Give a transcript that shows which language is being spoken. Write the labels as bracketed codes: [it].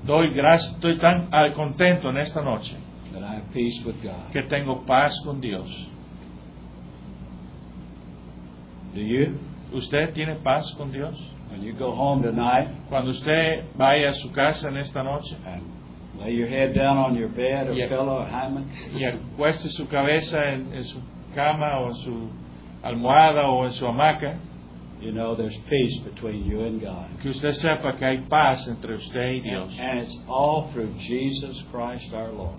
[es] Doy gracias, estoy tan contento en esta noche. [en] That I have peace with God. [es] Que tengo paz con Dios. [en] Do you? [es] ¿Usted tiene paz con Dios? [en] When you go home tonight, [es] cuando usted vaya a su casa en esta noche, [en] and lay your head down on your bed or pillow or hammock, [es] y acueste su cabeza en su cama o en su almohada o en su hamaca, [en] you know there's peace between you and God. [es] Que usted sepa que hay paz entre usted y Dios. [en] And it's all through Jesus Christ our Lord.